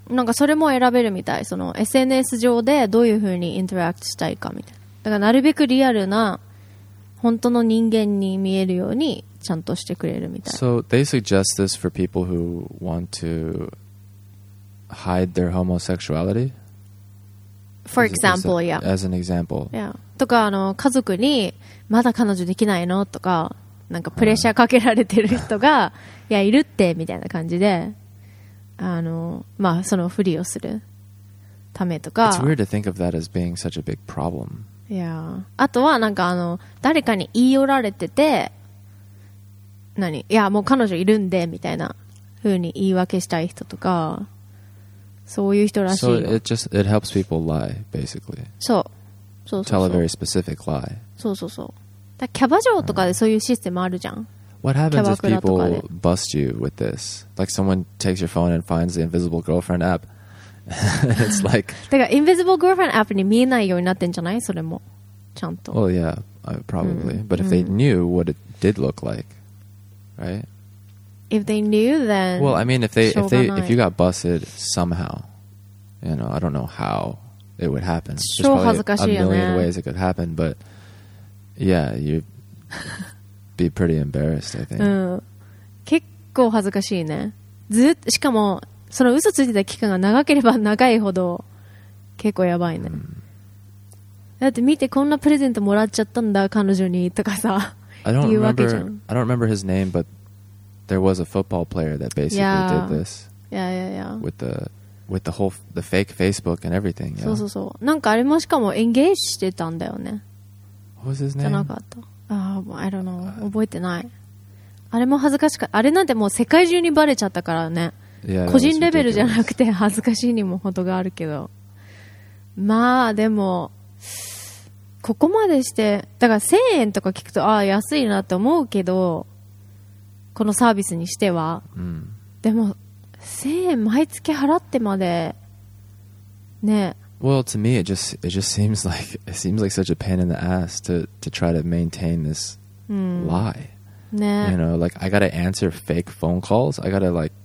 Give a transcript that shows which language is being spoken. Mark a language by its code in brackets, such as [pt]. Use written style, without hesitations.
[ja] なんかそれも選べるみたい。その SNS 上でどういう風にインタラクトしたいかみたいな。だからなるべくリアルな本当の人間に見えるようにちゃんとしてくれるみたい。 [en] So they suggest this for people who want to hide their homosexuality? For example, yeah. As an example. Yeah. [ja] とか、あの、家族にまだ彼女できないの?とか、なんかプレッシャーかけられてる人が、いや、いるって、みたいな感じで、あの、まあ、そのふりをするためとか。 [en] It's weird to think of that as being such a big problem. [ja] いや、あとはなんかあの誰かに言い寄られてて、何、いやもう彼女いるんでみたいな風に言い訳したい人とか、そういう人らしい。 [en] So it just it helps people lie basically. [ja] そう。 [en] Tell a very specific lie. [ja] そう。だキャバ嬢とかでそういうシステムあるじゃん。 [en] What happens if people bust you with this? Like someone takes your phone and finds the Invisible Girlfriend app? It's like. [ja] てか Invisible Girlfriend app に見えないようになってんじゃない?それもちゃんと。 [en] Well, yeah, probably. But if they knew what it did look like, right? If they knew, then. Well, I mean, if you got busted somehow, you know, I don't know how it would happen. [ja] So 恥ずかしいよね。 [en] A million ways it could happen, but yeah, you'd be pretty embarrassed, I think. [ja] 結構恥ずかしいね。ずっと、しかも。その嘘ついてた期間が長ければ長いほど結構やばいね、だって見てこんなプレゼントもらっちゃったんだ彼女にとかさ言うわけじゃん。 [en] I don't remember his name, but there was a football player that basically did this. Yeah. With the whole the fake Facebook and everything. Yeah. [ja] そう。なんかあれもしかもエンゲージしてたんだよね。 [en] What was his name? [ja] じゃなかった。 [en] I don't know. [ja] 覚えてない。あれも恥ずかしかった。あれなんてもう世界中にバレちゃったからね。 [en] Yeah, [ja] 個人レベルじゃなくて恥ずかしいにも程があるけど、まあでもここまでしてだから1000円とか聞くとああ安いなって思うけど、このサービスにしては、でも1000円毎月払ってまでね。 [en] Well, to me it just seems like such a pain in the ass to try to maintain this lie、 [ja] ね、 [en] you know, like I gotta answer fake phone calls, I gotta like